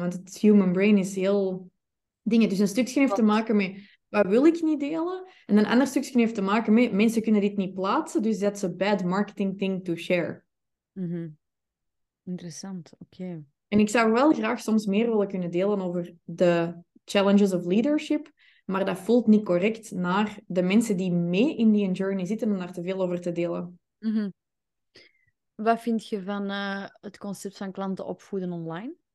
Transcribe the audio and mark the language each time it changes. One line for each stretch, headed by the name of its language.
Dutch: Want het human brain is heel dingen. Dus een stukje heeft te maken met. Wat wil ik niet delen? En een ander stukje heeft te maken met. Mensen kunnen dit niet plaatsen.
English: Dus that's a bad marketing thing to share.
Dutch: Interessant, oké. En ik zou wel graag soms meer willen kunnen delen over de
English: challenges of leadership,
Dutch: maar dat voelt niet correct naar de mensen die mee in die journey zitten om daar te veel over te delen. Wat vind je van het concept van klanten opvoeden online?